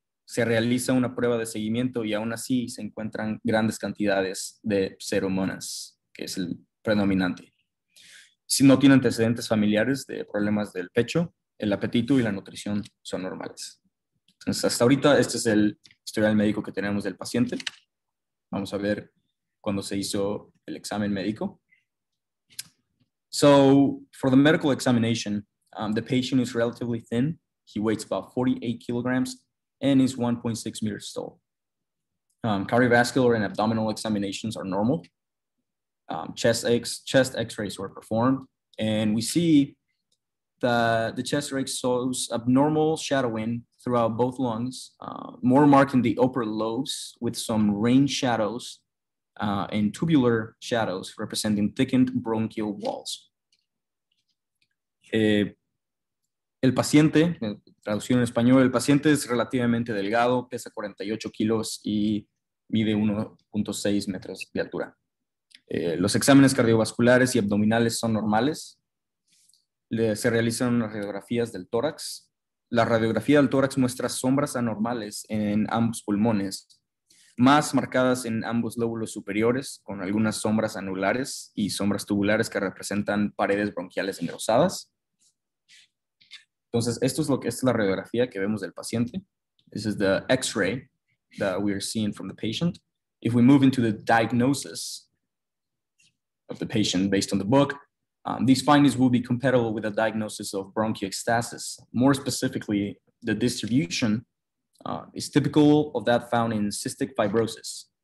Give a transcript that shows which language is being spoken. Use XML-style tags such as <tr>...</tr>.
<es>Se realiza una prueba de seguimiento y aún así se encuentran grandes cantidades de Pseudomonas, que es el predominante. Si no tiene antecedentes familiares de problemas del pecho, el apetito y la nutrición son normales. Entonces, hasta ahorita este es el historial médico que tenemos del paciente. Vamos a ver cuando se hizo el examen médico.</es> <en>So, for the medical examination, the patient is relatively thin. He weighs about 48 kilograms and is 1.6 meters tall. Cardiovascular and abdominal examinations are normal. Chest x-rays were performed. And we see that the chest x-ray shows abnormal shadowing throughout both lungs, more marked in the upper lobes with some ring shadows and tubular shadows representing thickened bronchial walls.</en> <es>El paciente, traducido en español, el paciente es relativamente delgado, pesa 48 kilos y mide 1.6 metros de altura. Los exámenes cardiovasculares y abdominales son normales. Se realizan unas radiografías del tórax. La radiografía del tórax muestra sombras anormales en ambos pulmones, más marcadas en ambos lóbulos superiores, con algunas sombras anulares y sombras tubulares que representan paredes bronquiales engrosadas. Entonces, esta es la radiografía que vemos del paciente.</es> <en>This is the X-ray that we are seeing from the patient. If we move into the diagnosis of the patient based on the book, these findings will be compatible with a diagnosis of bronchiectasis. More specifically, the distribution is typical of that found in cystic fibrosis.</en>